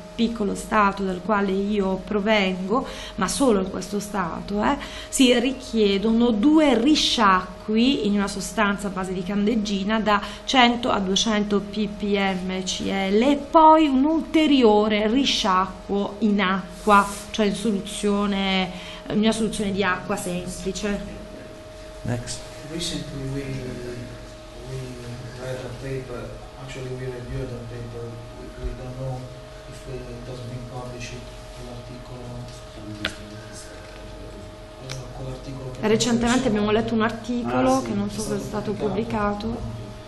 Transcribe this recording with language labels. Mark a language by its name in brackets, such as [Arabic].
[Italian] piccolo stato dal quale io provengo, ma solo in questo stato, si richiedono due risciacqui in una sostanza a base di candeggina da 100 a 200 ppm Cl e poi un ulteriore risciacquo in acqua, cioè in soluzione, in una soluzione di acqua semplice. [English] Next. Recently we read a paper, actually we reviewed a paper, we don't know if it has been published, [Italian] l'articolo. Recentemente abbiamo letto un articolo che non so se è stato pubblicato.